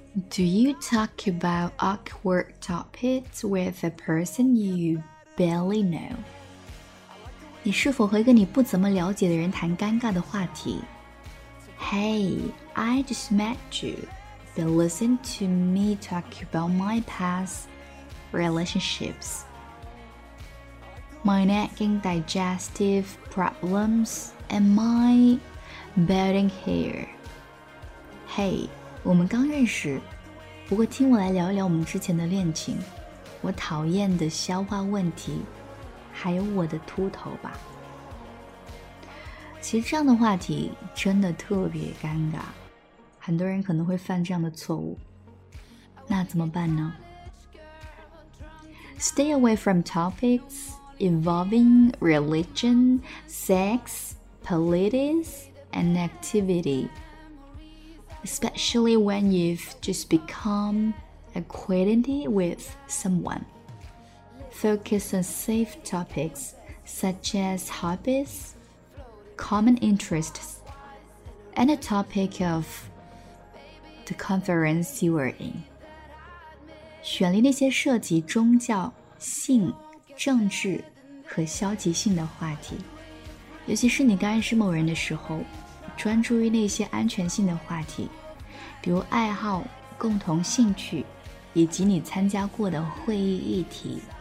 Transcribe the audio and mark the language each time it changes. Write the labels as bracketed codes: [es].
[en] Do you talk about awkward topics with a person you barely know? [zh] 你是否和一个你不怎么了解的人谈尴尬的话题？ [en] Hey, I just met you, but listen to me talk about my past relationships. My nagging digestive problems and my budding hair. [zh] Hey, 我们刚认识，不过听我来聊一聊我们之前的恋情，我讨厌的消化问题，还有我的秃头吧。其实这样的话题真的特别尴尬，很多人可能会犯这样的错误，那怎么办呢？ [en] Stay away from topics involving religion, sex, politics, and activityespecially when you've just become acquainted with someone. Focus on safe topics such as hobbies, common interests, and a topic of the conference you are in. [zh] 选择那些涉及宗教、性、政治和消极性的话题，尤其是你刚认识某人的时候，专注于那些安全性的话题，比如爱好、共同兴趣以及你参加过的会议议题。